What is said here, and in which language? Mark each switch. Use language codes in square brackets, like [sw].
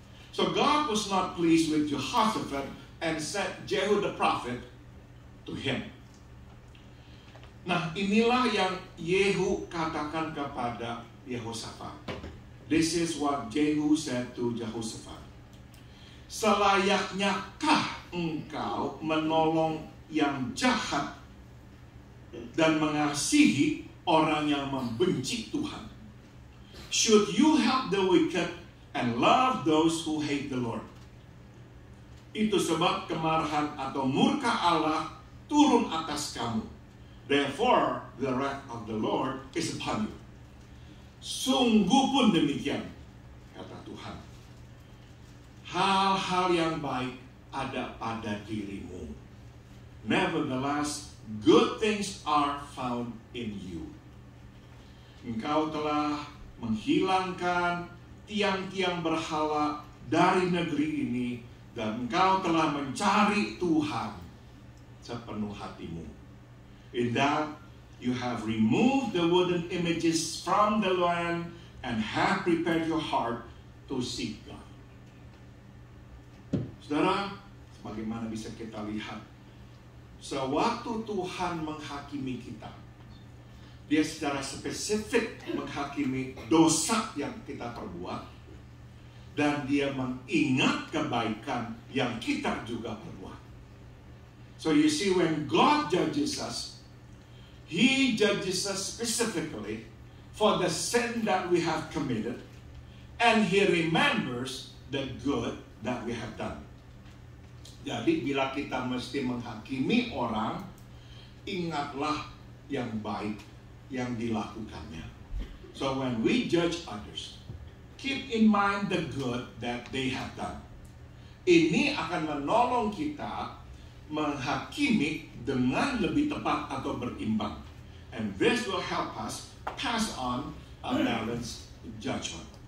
[en] So God was not pleased with Jehoshaphat and sent Jehu the prophet to him. [id] Nah, inilah yang Yehu katakan kepada Yehoshaphat. [en] This is what Jehu said to Jehoshaphat. [id] Selayaknyakah engkau menolong yang jahat dan mengasihi orang yang membenci Tuhan? [en] Should you help the wicked and love those who hate the Lord? [id] Itu sebab kemarahan atau murka Allah turun atas kamu. [en] Therefore, the wrath of the Lord is upon you. [id] Sungguh pun demikian, kata Tuhan. Hal-hal yang baik ada pada dirimu. [en] Nevertheless, good things are found in you. [id] Engkau telah menghilangkan tiang-tiang berhala dari negeri ini, dan engkau telah mencari Tuhan sepenuh hatimu. [en] In that, you have removed the wooden images from the land and have prepared your heart to seek God. [id] Saudara, bagaimana bisa kita lihat? Sewaktu Tuhan menghakimi kita, dia secara spesifik menghakimi dosa yang kita perbuat, dan dia mengingat kebaikan yang kita juga perbuat. [en] So you see, when God judges us, he judges us specifically for the sin that we have committed, and he remembers the good that we have done. [id] Jadi bila kita mesti menghakimi orang, ingatlah yang baik yang dilakukannya. [en] So when we judge others, keep in mind the good that they have done. [id] Ini akan menolong kita menghakimi dengan lebih tepat atau berimbang. [en] And this will help us pass on a balanced judgment.